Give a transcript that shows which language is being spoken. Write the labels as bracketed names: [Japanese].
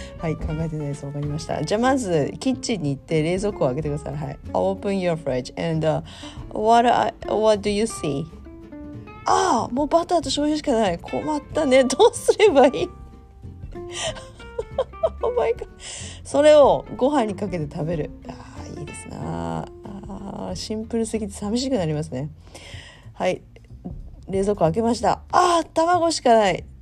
[Japanese] はい、考えてないです。わかりました。じゃあまずキッチンに行って冷蔵庫を開けてください。はい。 [English] Open your fridge and what do you see? [Japanese] ああ、もうバターと醤油しかない。困ったね。どうすればいい？ [English] Oh my god。 [Japanese] それをご飯にかけて食べる。ああ、いいですな。ああ、シンプルすぎて寂しくなりますね。はい。冷蔵庫開けました。ああ、卵しかない。